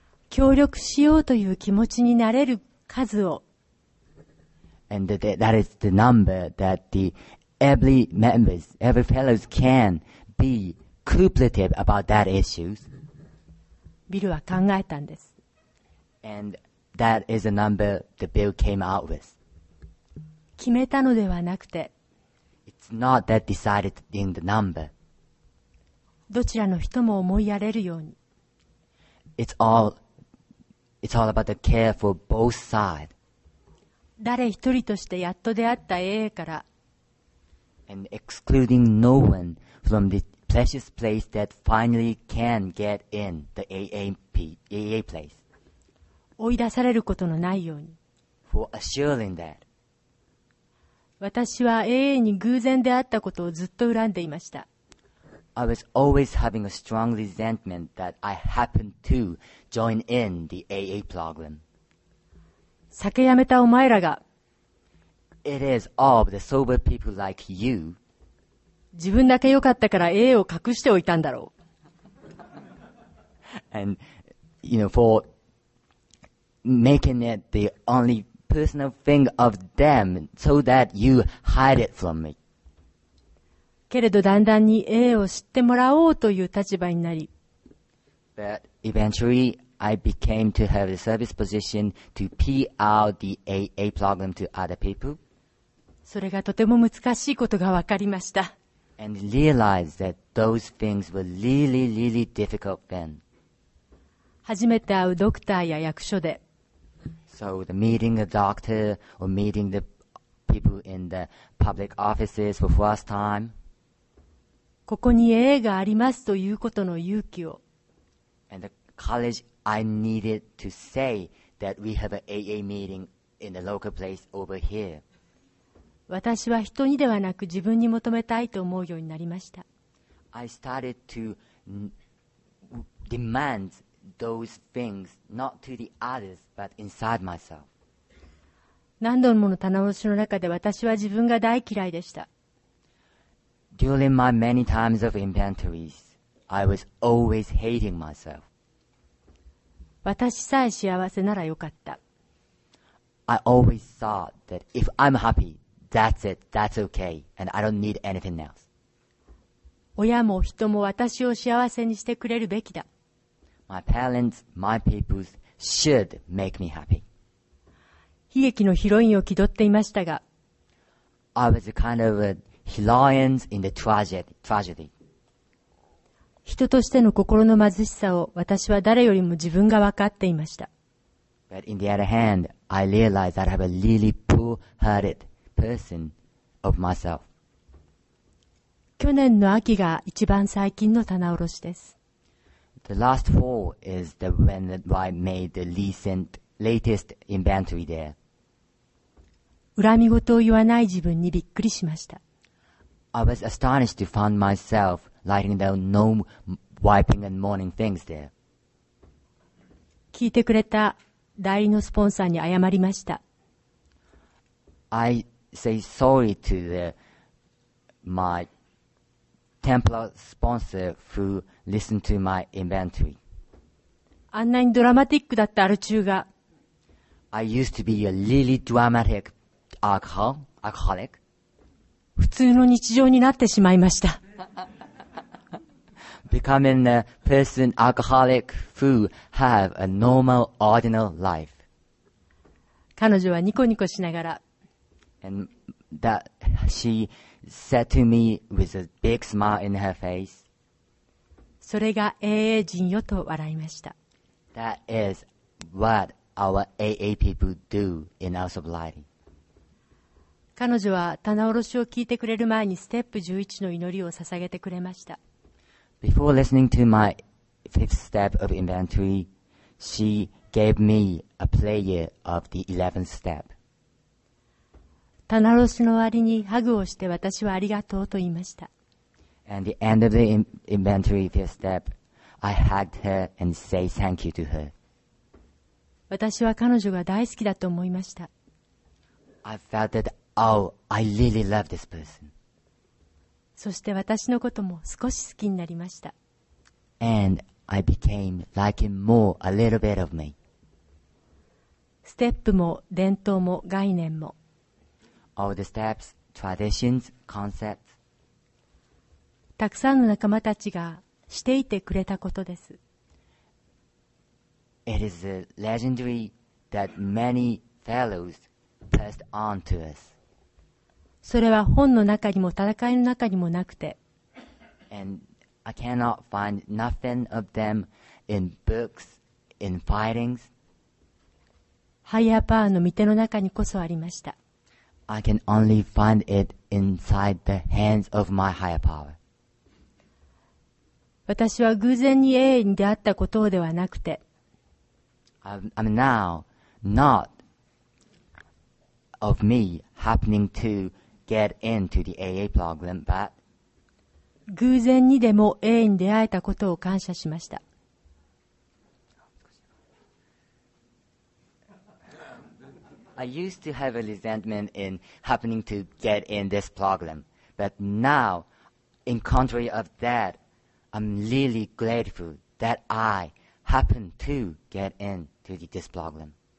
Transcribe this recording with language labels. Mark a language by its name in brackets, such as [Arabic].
[Japanese] 協力しようという気持ちになれる数を。 [English] And that is the number that every fellow can be cooperative about that issues. [Japanese] ビルは考えたんです。 [English] And that is the number the Bill came out with. [Japanese] 決めたのではなくて、 [English] It's not that decided in the number. [Japanese] どちらの人も思いやれるように。 [English] It's all about the care for both sides. [Japanese] 誰一人としてやっと出会った AA から。 [English] And excluding no one from the precious place that finally can get in the AA place. [Japanese] 追い出されることのないように。 [English] For assuring that. [Japanese] 私は AA に偶然出会ったことをずっと恨んでいました。 [English] I was always having a strong resentment that I happened to join in the AA program. [Japanese] 酒やめたお前らが、 [English] It is all of the sober people like you. [Japanese] 自分だけ良かったから AA を隠しておいたんだろう。 [English] And, you know, for making it the onlypersonal thing of them so that you hide it from me. [Japanese] けれどだんだんに A を知ってもらおうという立場になり、 [English] But eventually I became to have the service position to PR the AA program to other people. [Japanese] それがとても難しいことが分かりました。 [English] And realized that those things were really, really difficult then. [Japanese] 初めて会うドクターや役所で、 [English] So the meeting a doctor or meeting the people in the public offices for first time. [Japanese] ここに AA がありますということの勇気を。 [English] And the courage I needed to say that we have an AA meeting in the local place over here. [Japanese] 私は人にではなく自分に求めたいと思うようになりました。 [English] I started to demand those things not to the others but inside myself. [Japanese] 何度もの棚卸の中で私は自分が大嫌いでした。 [English] During my many times of inventories, I was always hating myself. [Japanese] 私さえ幸せならよかった。 [English] I always thought that if I'm happy, that's it, that's okay, and I don't need anything else. [Japanese] 親も人も私を幸せにしてくれるべきだ。 [English] My parents, my people should make me happy. [Japanese] 悲劇のヒロインを気取っていましたが、 [English] I was a kind of a heroine in the tragedy. [Japanese] 人としての心の貧しさを私は誰よりも自分が分かっていました。 [English] But in the other hand, I realized that I have a really poor-hearted person of myself. [Japanese] 去年の秋が一番最近の棚卸しです。 [English] The last fall is the when I made the latest inventory there. [Japanese] 恨み事を言わない自分にびっくりしました。 [English] I was astonished to find myself writing down no wiping and mourning things there. [Japanese] 聞いてくれた代理のスポンサーに謝りました。 [English] I say sorry to my temple sponsor who listened to my inventory. [Japanese] あんなにドラマティックだったアルチューが。 [English] I used to be a really dramatic alcoholic. [Japanese] 普通の日常になってしまいました。 [English] Becoming a person alcoholic who have a normal, ordinary life. [Japanese] 彼女はニコニコしながら、 [English] And that she said to me with a big smile in her face. [Japanese] それが AA 人よと笑いました。 [English] That is what our AA people do in our sobriety. [Japanese] 彼女は棚卸しを聞いてくれる前にステップ11の祈りを捧げてくれました。 [English] Before listening to my fifth step of inventory, she gave me a prayer of the 11th step. [Japanese] 棚卸しの終わりにハグをして私はありがとうと言いました。 [English] And the end of the inventory fifth step, I hugged her and said thank you to her. [Japanese] 私は彼女が大好きだと思いました。 [English] I felt that, oh, I really love this person. [Japanese] そして私のことも少し好きになりました。 [English] And I became liking more a little bit of me. [Japanese] ステップも伝統も概念も。 [English] All the steps, traditions, concepts. [Japanese] たくさんの仲間たちがしていてくれたことです。 [English] It is a legendary that many fellows passed on to us. [Japanese] それは本の中にも戦いの中にもなくて、 [English] And I cannot find nothing of them in books, in fightings. [Japanese] ハイアーパワーの御手の中にこそありました。 [English] I can only find it inside the hands of my higher power. [Japanese] 私は偶然に永遠に出会ったことではなくて、 [English] I'm now not of me happening to. Get into the AA program, but [Japanese] 偶然にでも AA に出会えたことを感謝しました。 [English] I used to have a resentment in happening to get in this program, but now, in contrary of that, I'm really grateful that I happened to get into this program.